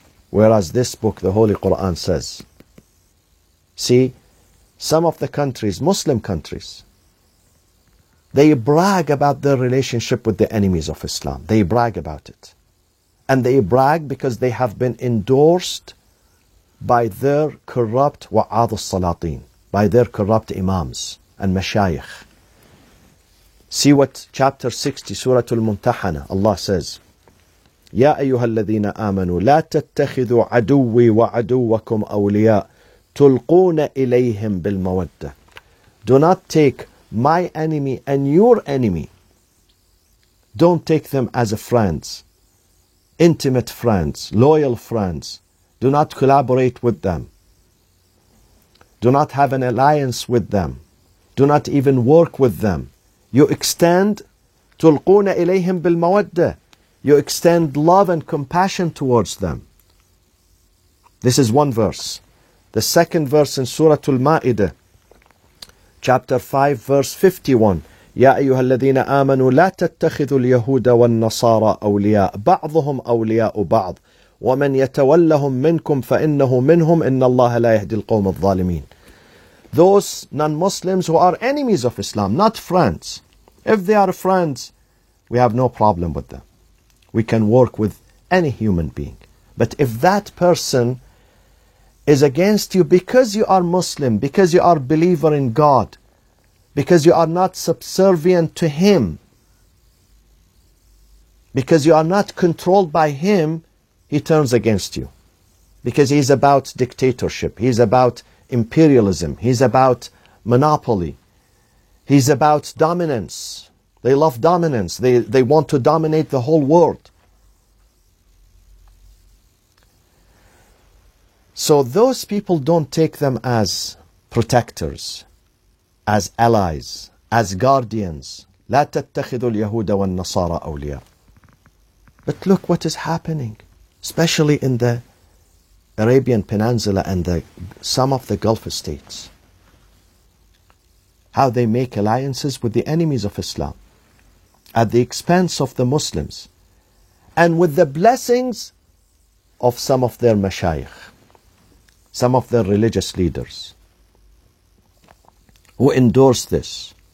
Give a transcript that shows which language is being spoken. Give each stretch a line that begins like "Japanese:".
English: Whereas this book, the Holy Quran, says, see, some of the countries, Muslim countries, they brag about their relationship with the enemies of Islam. They brag about it. And they brag because they have been endorsed by their corrupt wa'ad al-salatin, by their corrupt imams and mashayikh. See what chapter 60, Surah Al-Muntahana, Allah says,
Arabic: يَا أَيُّهَا الَّذِينَ آمَنُوا لَا تَتَّخِذُوا عَدُوِّي وَعَدُوَّكُمْ أَوْلِيَاءَ تُلْقُونَ إِلَيْهِمْ بِالْمَوَدَّةِ.
English: Do not take my enemy and your enemy. Don't take them as a friends, intimate friends, loyal friends. Do not collaborate with them. Do not have an alliance with them. Do not even work with them. You extend
Arabic: تُلْقُونَ إِلَيْهِمْ بِالْمَوَدَّةِ.
English: You extend love and compassion towards them. This is one verse. The second verse in Surah Al-Ma'idah, chapter 5, verse 51.
Arabic: يَا أَيُّهَا الَّذِينَ آمَنُوا لَا تَتَّخِذُوا الْيَهُودَ وَالنَّصَارَى أَوْلِيَاءَ بَعْضُهُمْ أَوْلِيَاءُ بَعْضٍ وَمَنْ يَتَوَلَّهُمْ مِنْكُمْ فَإِنَّهُ مِنْهُمْ إِنَّ اللَّهَ لَا يَهْدِي الْقَوْمَ الظَّالِمِينَ.
English: Those non-Muslims who are enemies of Islam, not friends. If they are friends, we have no problem with them. We can work with any human being. But if that person is against you because you are Muslim, because you are a believer in God, because you are not subservient to Him, because you are not controlled by Him, He turns against you. Because He's about dictatorship, He's about imperialism, He's about monopoly, He's about dominance. They love dominance. They want to dominate the whole world. So those people, don't take them as protectors, as allies, as guardians.
Arabic: لا تتخذوا اليهود والنصارى أولياء.
English: But look what is happening, especially in the Arabian Peninsula and some of the Gulf states. How they make alliances with the enemies of Islam at the expense of the Muslims and with the blessings of some of their mashayikh, some of their religious leaders who endorse this.